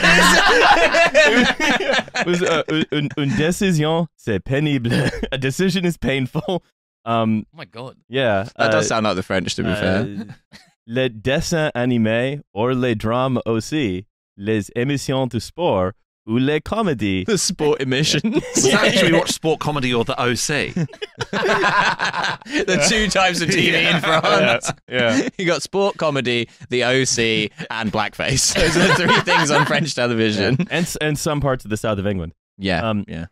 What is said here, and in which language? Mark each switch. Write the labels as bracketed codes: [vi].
[en] It was [fr] une décision, c'est pénible. [en] A decision is painful. Oh my god. Yeah. That does sound like the French, to be fair. [fr] Le dessin animé or le drame aussi, les émissions de sport ou les comédies. [en] The sport emissions. Yeah. Is that usually watch sport comedy or the OC? The two types of TV in France. Yeah. Yeah. You got sport comedy, the OC, and blackface. Those are the three things on French television. Yeah. And some parts of the south of England. Yeah.